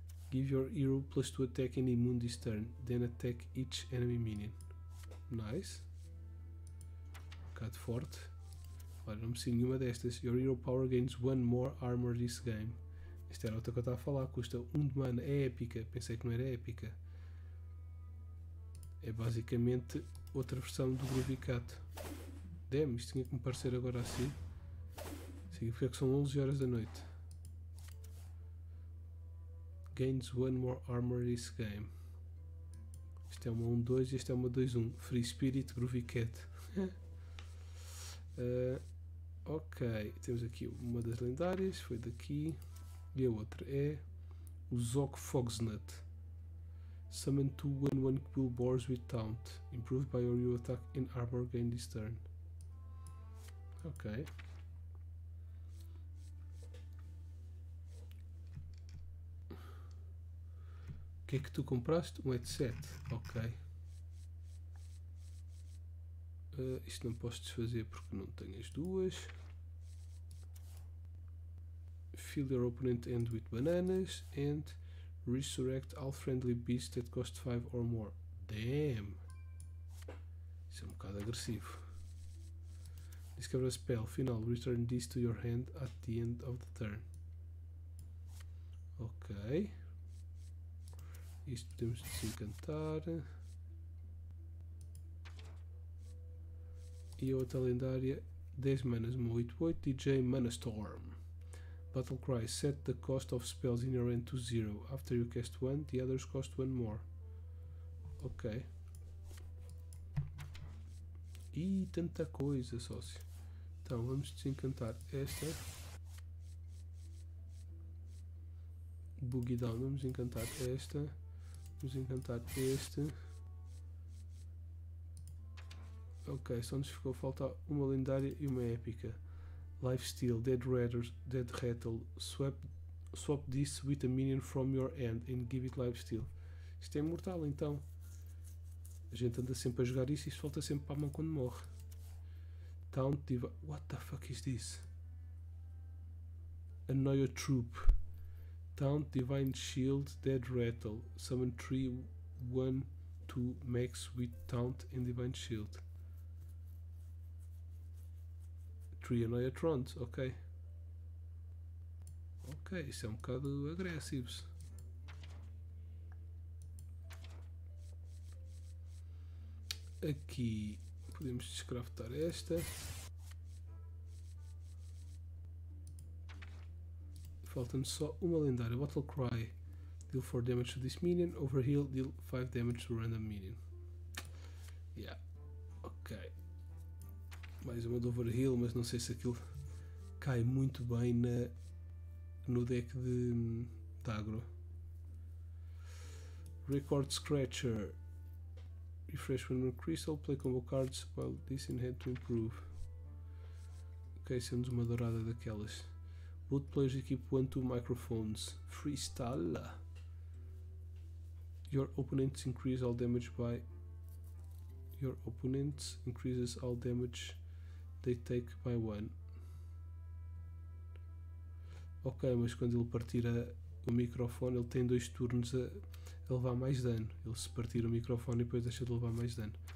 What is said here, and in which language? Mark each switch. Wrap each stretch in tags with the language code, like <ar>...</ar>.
<en>Give your hero plus 2 attack and immune this turn. Then attack each enemy minion. Nice.</en> <pt>Um bocado forte. Olha, não me sinto nenhuma destas.</pt> <en>Your hero power gains 1 more armor this game.</en> <pt>Esta era outra que eu estava a falar. Custa 1 de mana. É épica. Pensei que não era épica. É basicamente outra versão do Groovy Cat. Damn, isto tinha que me parecer agora assim. Significa que são 11 horas da noite.</pt> <en>Gains 1 more armor this game.</en> <pt>Isto é uma 1-2 e isto é uma 2-1.</pt> <en>Free Spirit Groovy Cat.</en> <pt>Ok, temos aqui uma das lendárias, foi daqui, e a outra é o Zog Fogsnut.</pt> <en>Summon 2-1-1 quill boars with taunt. Improved by your attack and armor gain this turn. Ok.</en> <pt>O que é que tu compraste? Um headset. Ok. Isto não posso desfazer porque não tenho as duas.</pt> <en>Fill your opponent end with bananas and resurrect all friendly beasts that cost 5 or more.</en> <pt>Damn! Isso é um bocado agressivo.</pt> <en>Discover a spell.</en> <pt>Final.</pt> <en>Return this to your hand at the end of the turn.</en> <pt>Ok. Isto podemos desencantar. E outra lendária, 10 manas, uma 8-8, DJ Mana Storm.</pt> <en>Battlecry, set the cost of spells in your hand to 0. After you cast one, the others cost one more. Ok.</en> <pt>Ih, tanta coisa, sócio. Então, vamos desencantar esta. Boogie Down, vamos encantar esta. Vamos encantar este. Ok, só nos ficou faltar uma lendária e uma épica.</pt> <en>Lifesteal, Dead Rattle. Swap this with a minion from your hand and give it lifesteal.</en> <pt>Isto é imortal, então. A gente anda sempre a jogar isso e isto volta sempre para a mão quando morre.</pt> <en>Taunt Divine. What the fuck is this? Annoy a troop. Taunt Divine Shield, Dead Rattle. Summon 3, 1, 2, max with Taunt and Divine Shield. 3 Annoy a Trons, ok.</en> <pt>Ok, isso é um bocado agressivos. Aqui podemos descraftar esta. Falta-nos só uma lendária.</pt> <en>Battlecry. Deal 4 damage to this minion. Overheal. Deal 5 damage to random minion. Yeah. Ok.</en> <pt>Mais uma do Overheal, mas não sei se aquilo cai muito bem no deck de agro.</pt> <en>Record Scratcher. Refresh when a crystal, play combo cards while this in hand to improve.</en> <pt>Ok, sendo uma dourada daquelas.</pt> <en>Both players equip 1-2 microphones. Freestyle. Your opponent's increases all damage they take by 1.</en> <pt>Ok, mas quando ele partir o microfone, ele tem 2 turnos a levar mais dano. Ele se partir o microfone e depois deixa de levar mais dano.</pt>